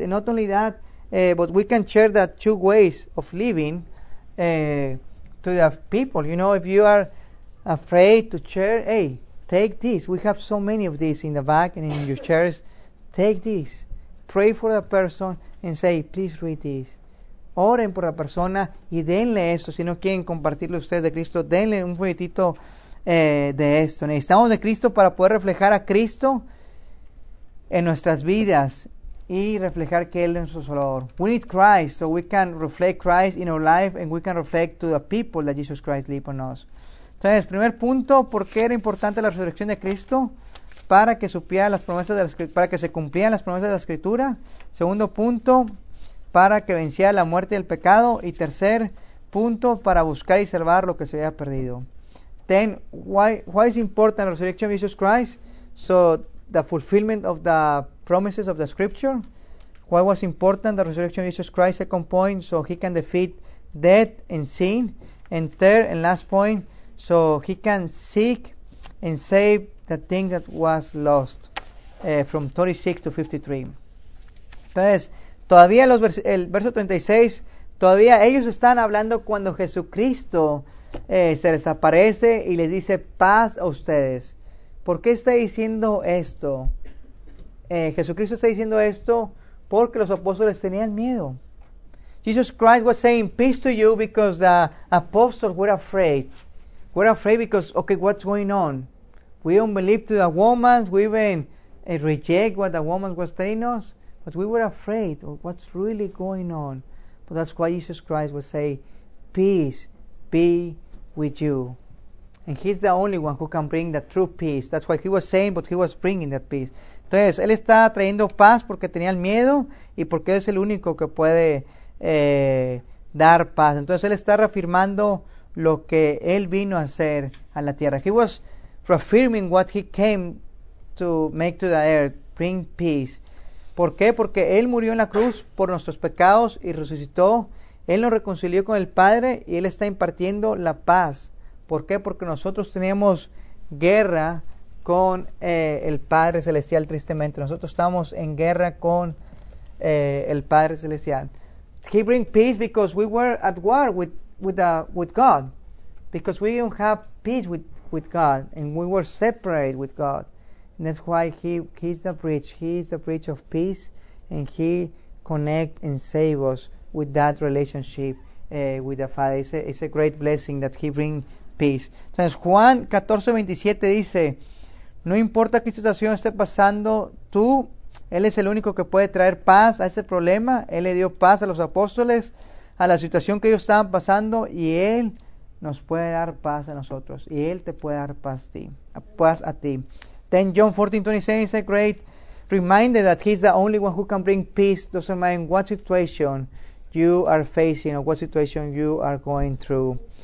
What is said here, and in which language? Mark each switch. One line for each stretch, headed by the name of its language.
English: And not only that, but we can share the two ways of living to the people. You know, if you are afraid to share, hey, take this. We have so many of these in the back and in your chairs. Take this. Pray for the person and say, please read this.
Spanish: Oren por la persona y denle esto. Si no quieren compartirlo ustedes de Cristo, denle un folletito de esto. Necesitamos de Cristo para poder reflejar a Cristo en nuestras vidas y reflejar que Él es nuestro Salvador.
English: We need Christ so we can reflect Christ in our life and we can reflect to the people that Jesus Christ live on us.
Spanish: Entonces, primer punto, ¿por qué era importante la resurrección de Cristo? Para que supieran las promesas de la Escritura, para que se cumplieran las promesas de la Escritura. Segundo punto, para que venciera la muerte y el pecado. Y tercer punto, para buscar y salvar lo que se había perdido.
English: Then, why is important the resurrection of Jesus Christ? So, the fulfillment of the promises of the Scripture. why was important the resurrection of Jesus Christ, second point, so he can defeat death and sin, and third and last point, so he can seek and save the thing that was lost, from 36 to 53.
Spanish: Entonces, todavía los el verso 36, todavía ellos están hablando cuando Jesucristo se les aparece y les dice paz a ustedes. ¿Por qué está diciendo esto? Jesucristo está diciendo esto porque los apóstoles tenían miedo.
English: Jesus Christ was saying peace to you because the apostles were afraid. We're afraid because, okay, what's going on? We don't believe to the woman. We even reject what the woman was telling us. But we were afraid of what's really going on. But that's why Jesus Christ would say, peace be with you. And he's the only one who can bring the true peace. That's why he was saying, but he was bringing that peace.
Spanish: Entonces, él está trayendo paz porque tenía el miedo y porque es el único que puede dar paz. Entonces, él está reafirmando lo que él vino a hacer a la tierra.
English: He was reaffirming what he came to make to the earth, bring peace.
Spanish: ¿Por qué? Porque él murió en la cruz por nuestros pecados y resucitó. Él nos reconcilió con el Padre y él está impartiendo la paz. ¿Por qué? Porque nosotros teníamos guerra con el Padre Celestial, tristemente. Nosotros estamos en guerra con el Padre Celestial.
English: He bring peace because we were at war with God. Because we don't have peace with God. And we were separated with God. And that's why he's the bridge. He's the bridge of peace. And he connect and save us with that relationship with the Father. It's a great blessing that he bring peace.
Spanish: Entonces, Juan 14:27 dice, no importa qué situación esté pasando, tú, él es el único que puede traer paz a ese problema. Él le dio paz a los apóstoles, a la situación que ellos estaban pasando, y él nos puede dar paz a nosotros, y él te puede dar paz a ti.
English: Then John 14:27 is a great reminder that he's the only one who can bring peace, doesn't matter what situation you are facing or what situation you are going through.